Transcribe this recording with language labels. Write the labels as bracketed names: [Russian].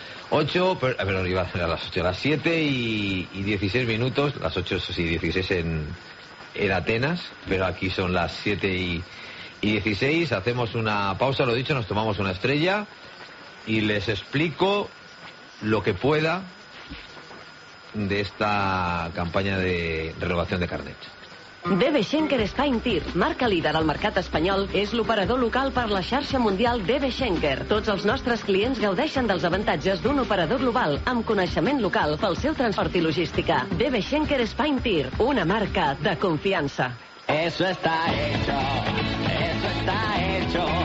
[Spanish] 8, pero iba a ser a las 8, a las 7 y 16 minutos, las 8 y 16 en Atenas, pero aquí son las 7 y 16, hacemos una pausa, lo dicho, nos tomamos una estrella y les explico lo que pueda de esta campanya de renovación de carnet. [Catalan] DB Schenker Spine Tir, marca líder al mercat espanyol, és l'operador local per la xarxa mundial DB Schenker. Tots els nostres clients gaudeixen dels avantatges d'un operador global amb coneixement local pel seu transport i logística. DB Schenker Spine Tir, una marca de confiança. [Spanish] Eso está hecho, eso está hecho.